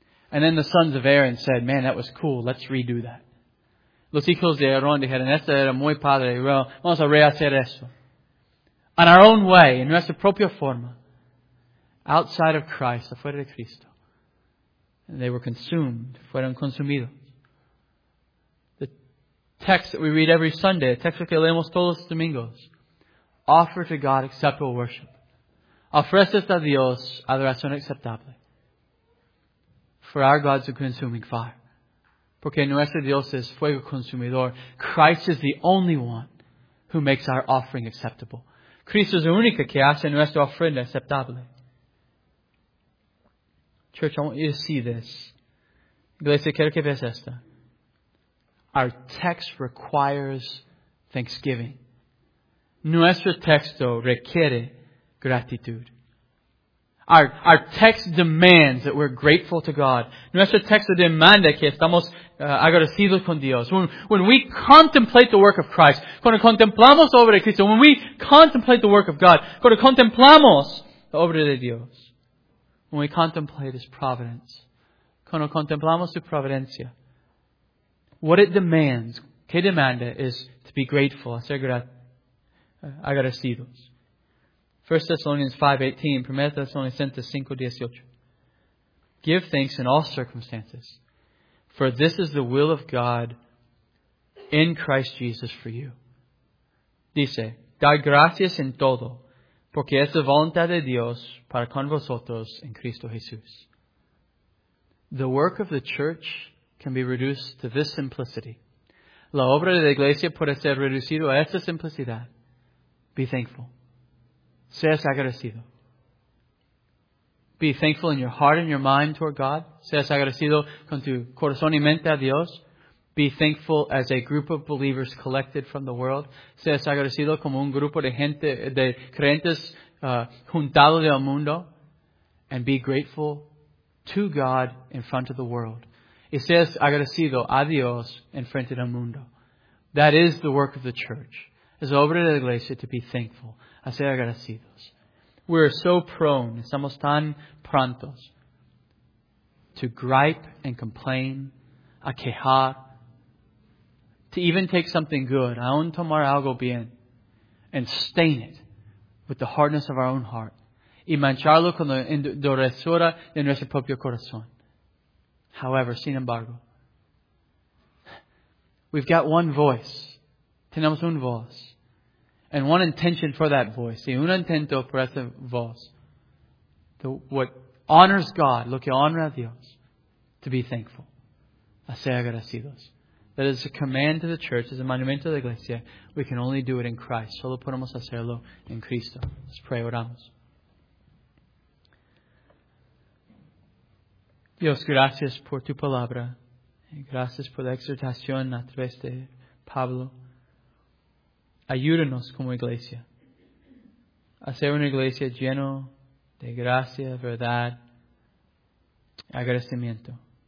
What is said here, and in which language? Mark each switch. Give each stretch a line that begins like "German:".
English: And then the sons of Aaron said, man, that was cool, let's redo that.
Spanish: Los hijos de Aarón dijeron, esto era muy padre, well, vamos a rehacer eso.
English: On our own way,
Spanish: en nuestra propia forma,
English: outside of Christ,
Spanish: afuera de Cristo,
English: and they were consumed,
Spanish: fueron consumidos.
English: The text that we read every Sunday,
Spanish: el texto que leemos todos los domingos,
English: offer to God acceptable worship.
Spanish: Ofreces a Dios adoración acceptable.
English: For our God is a consuming fire.
Spanish: Porque nuestro Dios es fuego consumidor.
English: Christ is the only one who makes our offering acceptable.
Spanish: Cristo es el único que hace nuestra ofrenda acceptable.
English: Church, I want you to see this.
Spanish: Iglesia, quiero que veas esta.
English: Our text requires thanksgiving.
Spanish: Nuestro texto requiere gratitud.
English: Our text demands that we're grateful to God.
Spanish: Nuestro texto demanda que estamos agradecidos con Dios.
English: When we contemplate the work of Christ,
Spanish: cuando contemplamos la obra de Cristo,
English: when we contemplate the work of God,
Spanish: cuando contemplamos la obra de Dios,
English: when we contemplate His providence,
Spanish: cuando contemplamos su providencia,
English: what it demands,
Spanish: que demanda,
English: is to be grateful,
Spanish: ser agradecidos.
English: 1 Thessalonians 5:18, 1 Thessalonians 5:18. Give thanks in all circumstances, for this is the will of God in Christ Jesus for you.
Spanish: Dice, dar gracias en todo, porque es la voluntad de Dios para con vosotros en Cristo Jesús.
English: The work of the church can be reduced to this simplicity.
Spanish: La obra de la iglesia puede ser reducida a esta simplicidad.
English: Be thankful.
Spanish: Seas agradecido.
English: Be thankful in your heart and your mind toward God.
Spanish: Seas agradecido con tu corazón y mente a Dios.
English: Be thankful as a group of believers collected from the world.
Spanish: Seas agradecido como un grupo de gente, de creyentes juntado del mundo.
English: And be grateful to God in front of the world.
Spanish: Y seas agradecido a Dios en frente del mundo.
English: That is the work of the church.
Spanish: Es obra de la iglesia
English: to be thankful.
Spanish: A ser agradecidos.
English: We are so prone,
Spanish: estamos tan prontos,
English: to gripe and complain,
Spanish: a quejar,
English: to even take something good,
Spanish: aun tomar algo bien,
English: and stain it with the hardness of our own heart,
Spanish: y mancharlo con la endurezura de nuestro propio corazón.
English: However,
Spanish: sin embargo,
English: we've got one voice.
Spanish: Tenemos un voz.
English: And one intention for that voice.
Spanish: Y un intento por esa voz.
English: What honors God,
Spanish: lo que honra a Dios,
English: to be thankful.
Spanish: A ser agradecidos.
English: That is a command to the church,
Spanish: as a monumento de la iglesia.
English: We can only do it in Christ.
Spanish: Solo podemos hacerlo en Cristo.
English: Let's pray,
Spanish: oramos. Dios, gracias por tu palabra. Gracias por la exhortación a través de Pablo. Ayúdanos como iglesia a ser una iglesia llena de gracia, verdad, agradecimiento.